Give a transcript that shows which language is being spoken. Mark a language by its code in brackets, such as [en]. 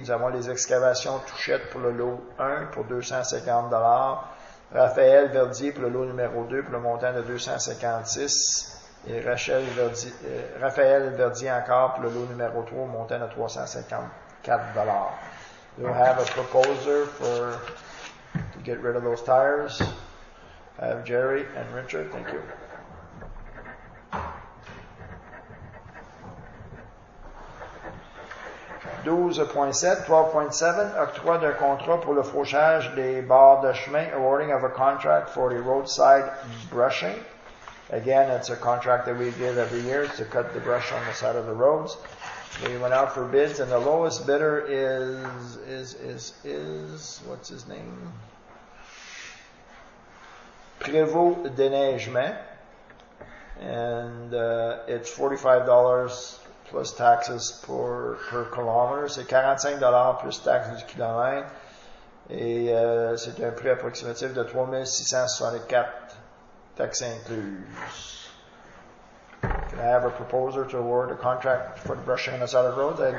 [fr] Nous avons les excavations Touchette pour le lot 1 pour 250 $. Raphaël Verdier pour le lot numéro 2 pour le montant de 256. Et Raphaël Verdier encore pour le lot numéro 3 au montant de 354 $. [en] You have a proposer for to get rid of those tires. I have Jerry and Richard. Thank you. [fr] Octroi d'un contrat pour le fauchage des barres de chemin. [en] Awarding of a contract for the roadside brushing. Again, it's a contract that we give every year to cut the brush on the side of the roads. We went out for bids, and the lowest bidder is what's his name? Prévost Déneigement, and it's $45 plus taxes per kilometer. [fr] C'est $45 plus taxes du kilomètre, et c'est un prix approximatif de 3,664 taxes incluses. [en] Can I have a proposer to award a contract for the brushing on the side of the road?